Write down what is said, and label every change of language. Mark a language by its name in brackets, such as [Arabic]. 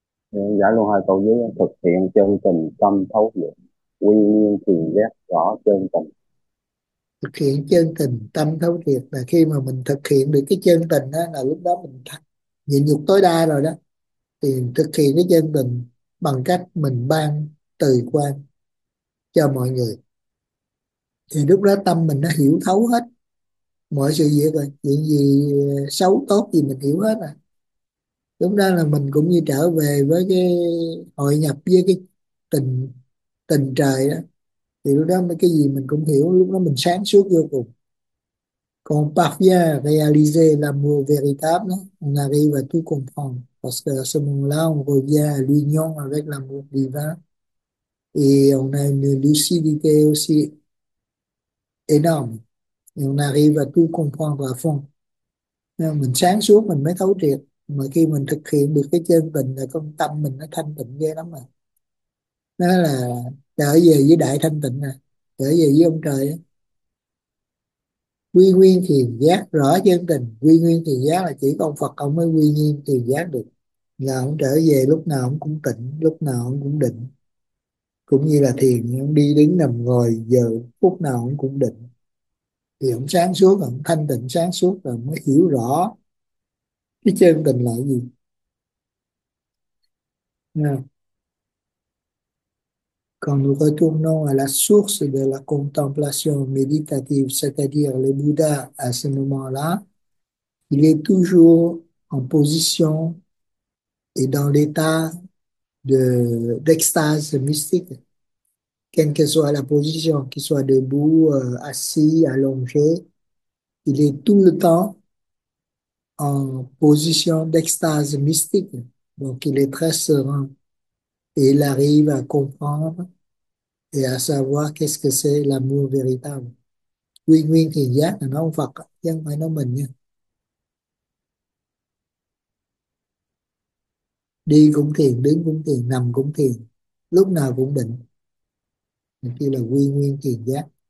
[Vietnamese] Giải luôn hai câu dưới: thực hiện chân tình tâm thấu dụng, quy nguyên thiền giác rõ chân tình. Thực hiện chân tình tâm thấu triệt là khi mà mình thực hiện được cái chân tình đó, là lúc đó mình nhịn nhục tối đa rồi đó, thì thực hiện cái chân tình bằng cách mình ban từ quan cho mọi người, thì lúc đó tâm mình nó hiểu thấu hết mọi sự việc rồi, chuyện gì xấu tốt gì mình hiểu hết rồi. Lúc đó là mình cũng như trở về với cái hội nhập với cái tình tình trời đó. Thì lúc đó mấy cái gì mình cũng hiểu, lúc đó mình sáng suốt vô cùng. Còn [French] parvient à réaliser l'amour véritable, on arrive à tout comprendre. Parce que à ce moment-là, on revient à l'union avec l'amour divin. Et on a une lucidité aussi énorme. Et on arrive à tout comprendre à fond. [Vietnamese] Nên mình sáng suốt, mình mới thấu triệt. Mà khi mình thực hiện được cái chân tình là con tâm mình nó thanh tịnh ghê lắm mà. Đó là trở về với đại thanh tịnh nè, trở về với ông trời. Quy nguyên thiền giác rõ chân tình, quy nguyên thiền giác là chỉ con Phật ông mới quy nguyên thiền giác được, là ông trở về lúc nào ông cũng tỉnh, lúc nào ông cũng định, cũng như là thiền ông đi đứng nằm ngồi giờ phút nào ông cũng định, thì ông sáng suốt, ông thanh tịnh sáng suốt rồi mới hiểu rõ cái chân tình là gì. Còn [French] nous retournons à la source de la contemplation méditative, c'est-à-dire le Bouddha à ce moment-là, il est toujours en position et dans l'état d'extase mystique, quelle que soit la position, qu'il soit debout, assis, allongé, il est tout le temps en position d'extase mystique, donc il est très serein et il arrive à comprendre et à savoir qu'est-ce que c'est l'amour véritable. [Vietnamese] Quy nguyên thiền giác là nó Phật, chứ không phải nó mình nha. Đi cũng thiền, đứng cũng thiền, nằm cũng thiền, lúc nào cũng định. Thì kia là quy nguyên thiền giác.